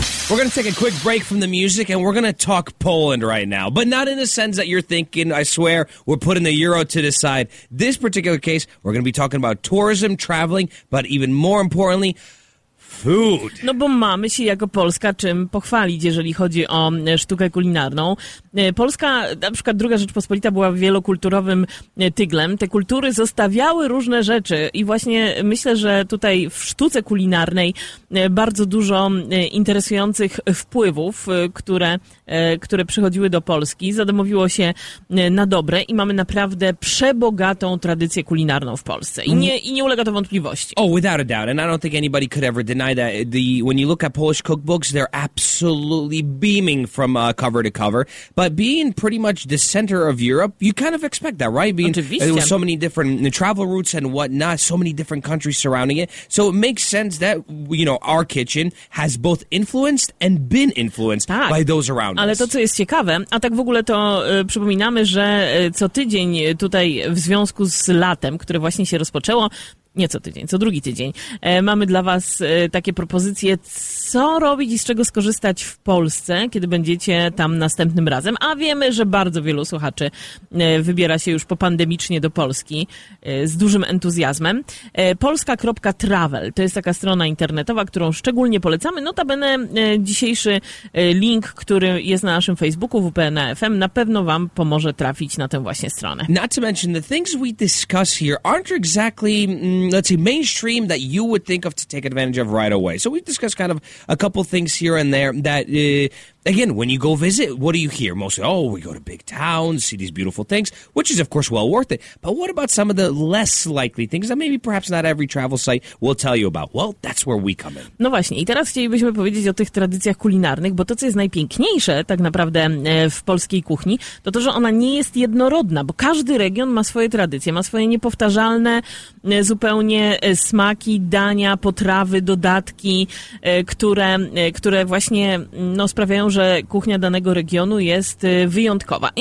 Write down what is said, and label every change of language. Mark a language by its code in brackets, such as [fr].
[en] We're going to take a quick break from the music, and we're going to talk Poland right now. But not in the sense that you're thinking, I swear, we're putting the euro to the side. This particular case, we're going to be talking about tourism, traveling, but even more importantly, food. [pl] No bo mamy się jako Polska czym pochwalić, jeżeli chodzi o sztukę kulinarną. Polska, na przykład Druga Rzeczpospolita, była wielokulturowym tyglem. Te kultury zostawiały różne rzeczy i właśnie myślę, że tutaj w sztuce kulinarnej bardzo dużo interesujących wpływów, które przychodziły do Polski, zadomowiło się na dobre i mamy naprawdę przebogatą tradycję kulinarną w Polsce. I nie ulega to wątpliwości. [en] Oh, without a doubt. And I don't think anybody could ever deny that. When you look at Polish cookbooks, they're absolutely beaming from cover to cover. But being pretty much the center of Europe, you kind of expect that, right? Being with so many different travel routes and whatnot, so many different countries surrounding it. So it makes sense that, you know, our kitchen has both influenced and been influenced by those around us. [pl] Ale to, co jest ciekawe, a tak w ogóle to przypominamy, że co tydzień tutaj w związku z latem, które właśnie się rozpoczęło, nie co tydzień, co drugi tydzień, mamy dla was takie propozycje, co robić i z czego skorzystać w Polsce, kiedy będziecie tam następnym razem. A wiemy, że bardzo wielu słuchaczy wybiera się już popandemicznie do Polski z dużym entuzjazmem. Polska.travel to jest taka strona internetowa, którą szczególnie polecamy. Notabene dzisiejszy link, który jest na naszym Facebooku WPNFM, na pewno wam pomoże trafić na tę właśnie stronę. [en] Not to mention, the things we discuss here aren't exactly, let's say, mainstream that you would think of to take advantage of right away. So we've discussed kind of a couple things here and there that, again, when you go visit, what do you hear? Mostly, oh, we go to big towns, see these beautiful things, which is, of course, well worth it. But what about some of the less likely things that maybe perhaps not every travel site will tell you about? Well, that's where we come in. [pl] No właśnie, i teraz chcielibyśmy powiedzieć o tych tradycjach kulinarnych, bo to, co jest najpiękniejsze tak naprawdę w polskiej kuchni, to to, że ona nie jest jednorodna, bo każdy region ma swoje tradycje, ma swoje niepowtarzalne zupełnie smaki, dania, potrawy, dodatki, które właśnie no, sprawiają, że kuchnia danego regionu jest wyjątkowa.